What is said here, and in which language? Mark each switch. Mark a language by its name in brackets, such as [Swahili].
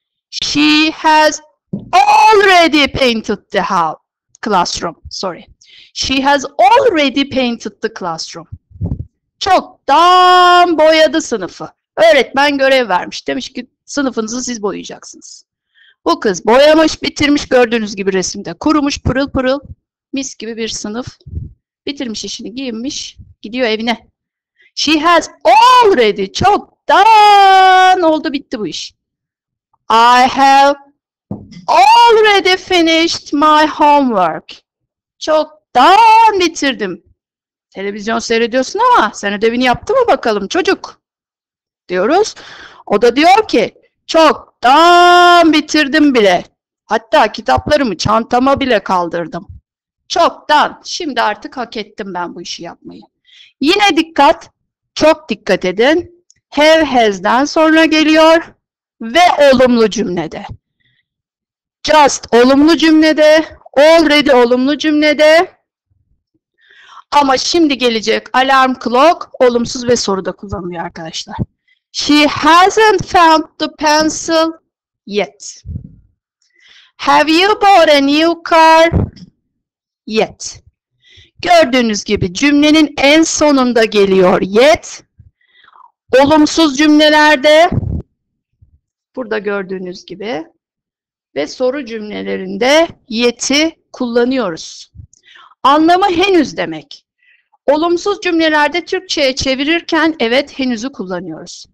[English] She has already painted the house. Classroom, sorry. She has already painted the classroom. [Turkish] Çoktan boyadı sınıfı. Öğretmen görev vermiş. Demiş ki sınıfınızı siz boyayacaksınız. Bu kız boyamış, bitirmiş gördüğünüz gibi resimde. Kurumuş, pırıl pırıl. Mis gibi bir sınıf. Bitirmiş işini, giyinmiş. Gidiyor evine. [English] She has already [Turkish] çoktan oldu bitti bu iş. [English] I have already finished my homework. [Turkish] Çoktan bitirdim. Televizyon seyrediyorsun ama sen ödevini yaptın mı bakalım çocuk? Diyoruz. O da diyor ki çoktan bitirdim bile. Hatta kitaplarımı çantama bile kaldırdım. Çoktan. Şimdi artık hak ettim ben bu işi yapmayı. Yine dikkat. Çok dikkat edin. Have has'den sonra geliyor. Ve olumlu cümlede. Just olumlu cümlede. Already olumlu cümlede. Ama şimdi gelecek alarm clock olumsuz ve soru da kullanılıyor arkadaşlar. [English] She hasn't found the pencil yet. Have you bought a new car yet? [Turkish] Gördüğünüz gibi cümlenin en sonunda geliyor yet. Olumsuz cümlelerde Burada gördüğünüz gibi. Ve soru cümlelerinde yeti kullanıyoruz. Anlamı henüz demek. Olumsuz cümlelerde Türkçe'ye çevirirken evet henüzü kullanıyoruz.